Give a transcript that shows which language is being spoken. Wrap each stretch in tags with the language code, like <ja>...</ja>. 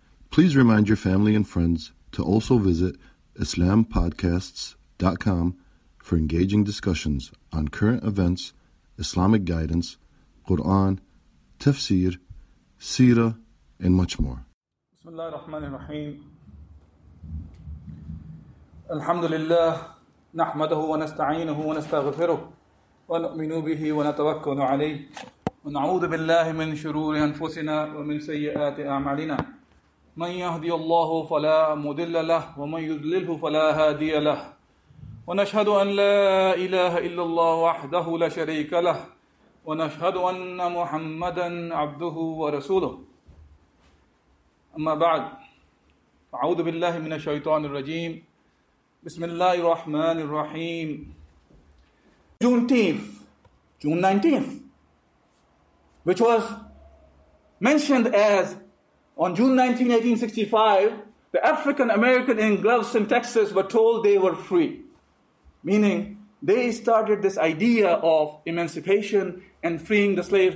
<en>Please remind your family and friends to also visit IslamPodcasts.com for engaging discussions on current events, Islamic guidance, Quran, tafsir, seerah, and much more.</en> <ar>Bismillahirrahmanirrahim. الحمد لله نحمده ونستعينه ونستغفره ونؤمن به ونتوكل عليه ونعوذ بالله من شرور أنفسنا ومن سيئات أعمالنا من يهدي الله فلا مضل له ومن يضلله فلا هادي له ونشهد أن لا إله إلا الله وحده لا شريك له ونشهد أن محمدا عبده ورسوله أما بعد أعوذ بالله من الشيطان الرجيم Bismillah ar-Rahman ar-Rahim.</ar> <en>June 19th, which was mentioned as on June 19, 1865, the African American in Galveston, Texas were told they were free. Meaning, they started this idea of emancipation and freeing the slaves.</en>